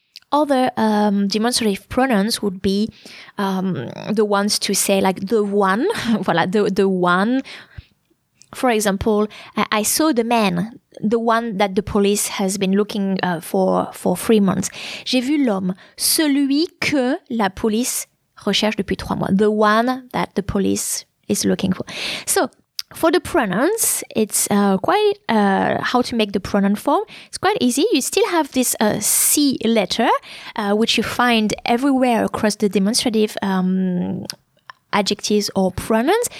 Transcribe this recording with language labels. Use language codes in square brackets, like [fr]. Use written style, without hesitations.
[en] Other demonstrative pronouns would be the ones to say, like, the one. Voilà, the one. For example, I saw the man, the one that the police has been looking for 3 months. [fr] J'ai vu l'homme, celui que la police recherche depuis 3 mois. [en] The one that the police is looking for. So, for the pronouns, it's quite how to make the pronoun form. It's quite easy. You still have this C letter, which you find everywhere across the demonstrative adjectives or pronouns.